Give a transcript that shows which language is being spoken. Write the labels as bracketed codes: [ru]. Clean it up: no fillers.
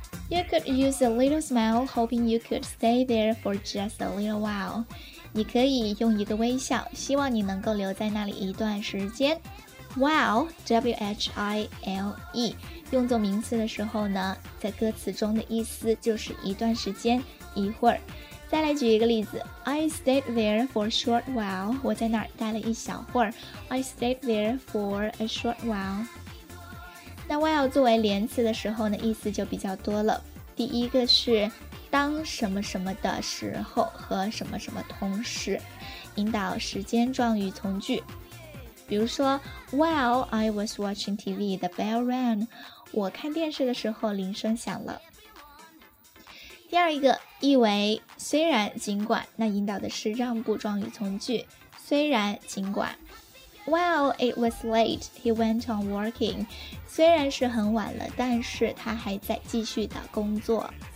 [en] You could use a little smile, hoping you could stay there for just a little while. [zh] 你可以用一个微笑，希望你能够留在那里一段时间。 While, W-H-I-L-E, 用作名词的时候呢，在歌词中的意思就是一段时间，一会儿。再来举一个例子 [en] ，I stayed there for a short while. [zh] 我在那儿待了一小会儿。 [en] I stayed there for a short while. [zh] 那 while 作为连词的时候呢，意思就比较多了。第一个是当什么什么的时候和什么什么同时，引导时间状语从句。比如说 [en] ，While I was watching TV, the bell rang. [zh] 我看电视的时候铃声响了。第二一个意为虽然尽管，那引导的是让步状语从句。虽然尽管。 [en] While it was late, he went on working. [zh] 虽然是很晚了，但是他还在继续的工作。